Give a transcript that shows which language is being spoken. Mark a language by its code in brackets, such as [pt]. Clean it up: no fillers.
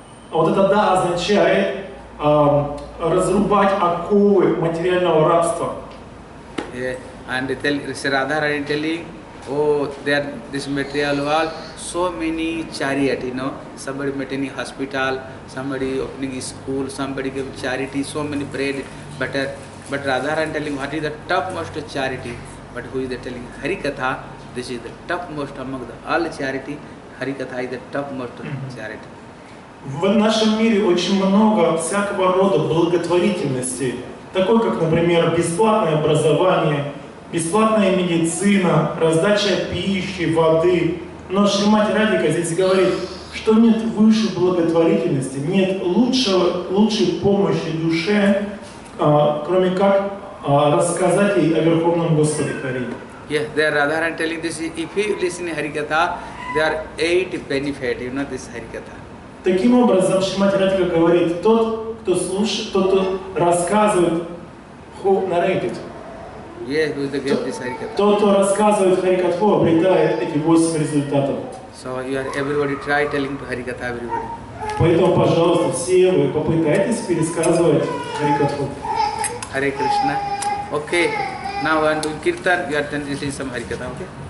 [ru] Вот это «да» означает разрубать оковы материального рабства. [en] Yeah. And Radharani telling, this material wall, so many chariot, somebody maintaining hospital, somebody opening a school, somebody giving charity, so many bread, but Radharani telling, what is the topmost charity? But who is telling? Harikatha, this is the topmost among all charity, Harikatha is the topmost charity. [ru] В нашем мире очень много всякого рода благотворительности, такой как, например, бесплатное образование, бесплатная медицина, раздача пищи, воды. Но Шримати Радика здесь говорит, что нет выше благотворительности, нет лучшей помощи душе, кроме как рассказать ей о Верховном Господе Хари. [en] Yes, they are rather telling this, if you listen to Harikatha, there are 8 benefits, this Harikatha. [ru] Таким образом, Шримати Радхика говорит, тот, кто слушает, тот, кто рассказывает, [en] who narrated. Yeah, who is the guest is Harikatha. [ru] Тот, кто рассказывает Харикатху, обретает эти 8 результатов. [en] So you are everybody try telling to Harikatha everybody. [ru] Поэтому, пожалуйста, все вы попытайтесь пересказывать Харикатху. [en] Hare Krishna. Okay. Now I'm doing Kirtan, you are telling some Harikatha, okay?